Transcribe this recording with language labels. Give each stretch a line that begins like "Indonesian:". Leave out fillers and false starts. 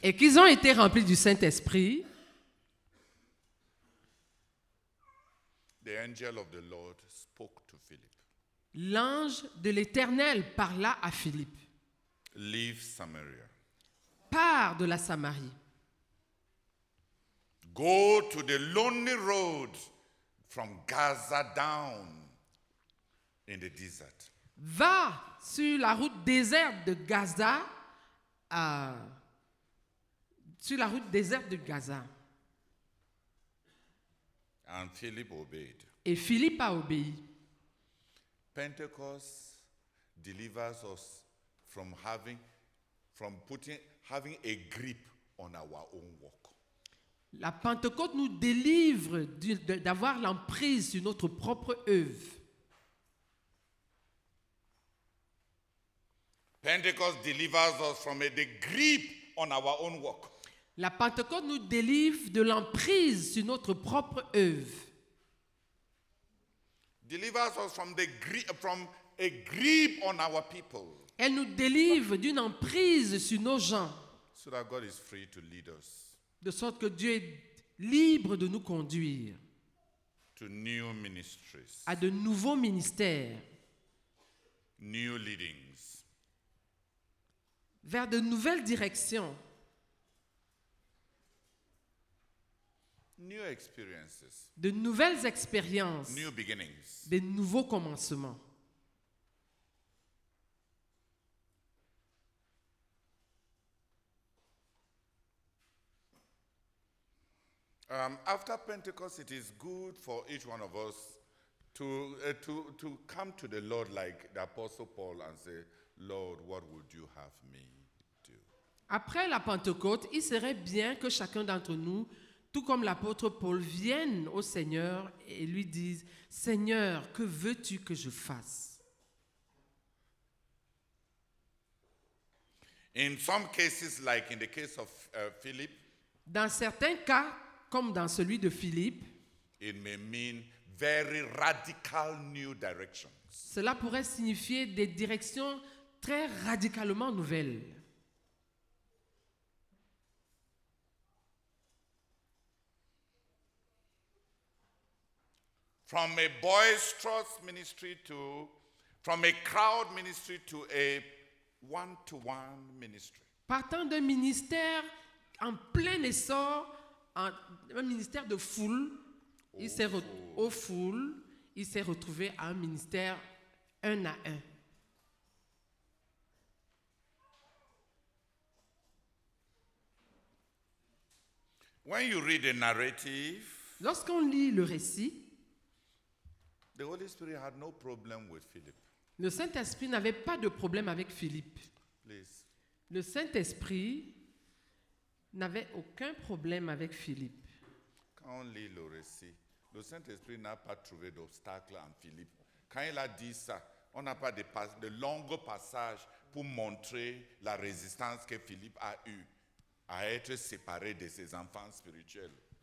French: et qu'ils ont été remplis du Saint-Esprit.
English: The angel of the Lord spoke to Philip.
French: L'ange de l'Éternel parla à Philippe.
English: Leave Samaria.
French: Pars de la Samarie.
English: Go to the lonely road from Gaza down in the desert.
French: Va sur la route déserte de Gaza sur la route déserte de Gaza.
English: And Philip obeyed.
French: Et Philippe a obéi.
English: Pentecost delivers us from having a grip on our own work.
French: La Pentecôte nous délivre d'avoir l'emprise sur notre propre œuvre.
English: Pentecost delivers us from the grip on our own work.
French: La Pentecôte nous délivre de l'emprise sur notre propre œuvre.
English: Delivers us from a grip on our people.
French: Elle nous délivre d'une emprise sur nos gens.
English: So that God is free to lead us.
French: De sorte que Dieu est libre de nous conduire.
English: To new ministries.
French: À de nouveaux ministères.
English: New leadings.
French: Vers de nouvelles directions.
English: New experiences.
French: De nouvelles expériences.
English: New beginnings.
French: Des nouveaux commencements.
English: After Pentecost, it is good for each one of us to come to the Lord like the Apostle Paul and say, Lord, what would you have me do?
French: Après la Pentecôte, il serait bien que chacun d'entre nous, tout comme l'apôtre Paul, vienne au Seigneur et lui dise, Seigneur, que veux-tu que je fasse?
English: In some cases, like in the case of Philip,
French: dans certains cas, comme dans celui de Philippe,
English: it may mean very radical new directions.
French: Cela pourrait signifier des directions très radicalement nouvelles.
English: From a boisterous ministry to, from a crowd ministry to a one-to-one ministry.
French: Partant d'un ministère en plein essor, un ministère de foule, il s'est retrouvé à un ministère un à un.
English: When you read a narrative,
French: lorsqu'on lit le récit,
English: the Holy Spirit had no problem with Philip.
French: Le Saint-Esprit n'avait pas de problème avec Philippe.
English: Please.
French: Le Saint-Esprit n'avait aucun problème avec Philippe. Quand on lit le récit, le Saint-Esprit n'a pas trouvé d'obstacle en Philippe. Quand il a dit ça, on n'a pas de long passage pour montrer la résistance que Philippe a eue à être séparé de ses enfants spirituels.